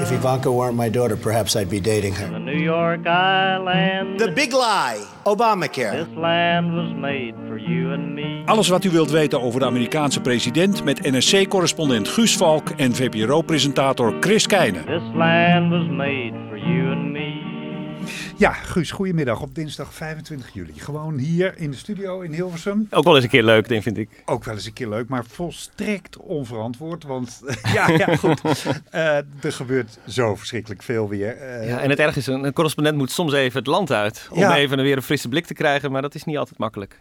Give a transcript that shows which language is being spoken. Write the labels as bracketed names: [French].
[English] If Ivanka weren't my daughter, perhaps I'd be dating her. The New York Island. The big lie. Obamacare. This land was made for you and me. [Dutch] Alles wat u wilt weten over de Amerikaanse president met NRC-correspondent Guus Valk en VPRO-presentator Chris Keijnen. [English] This land was made for you and me. [Dutch] Ja, Guus, goedemiddag op dinsdag 25 juli. Gewoon hier in de studio in Hilversum. Ook wel eens een keer leuk, denk vind ik. Ook wel eens een keer leuk, maar volstrekt onverantwoord. Want goed, er gebeurt zo verschrikkelijk veel weer. En het ergste is, een correspondent moet soms even het land uit. Om even weer een frisse blik te krijgen, maar dat is niet altijd makkelijk.